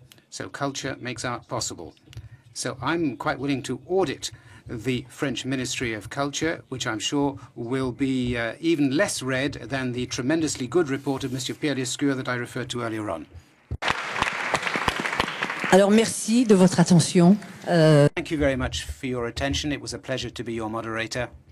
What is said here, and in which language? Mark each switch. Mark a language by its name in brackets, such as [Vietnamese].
[English] So culture makes art possible. So I'm quite willing to audit the French Ministry of Culture, which I'm sure will be even less read than the tremendously good report of Monsieur Pierre Lescure that I referred to earlier on. [French] Alors merci de votre attention. [English] Thank you very much for your attention. It was a pleasure to be your moderator.